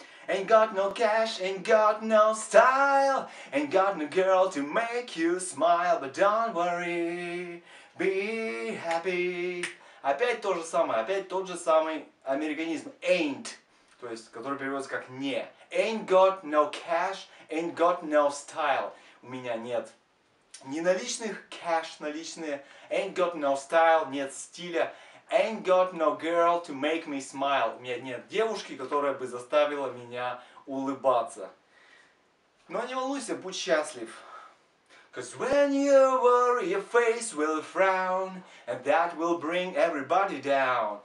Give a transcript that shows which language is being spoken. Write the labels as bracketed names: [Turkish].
[English] Ain't got no cash, ain't got no style, ain't got no girl to make you smile, but don't worry, be happy. [Russian] Опять то же самое, опять тот же самый американизм, ain't, то есть, который переводится как не. [English] Ain't got no cash, ain't got no style. [Russian] У меня нет ни наличных, cash наличные, [English] ain't got no style, [Russian] нет стиля. [English] Ain't got no girl to make me smile. [Russian] У меня нет девушки, которая бы заставила меня улыбаться. Но не волнуйся, будь счастлив. [English] Cause when you worry, your face will frown, and that will bring everybody down.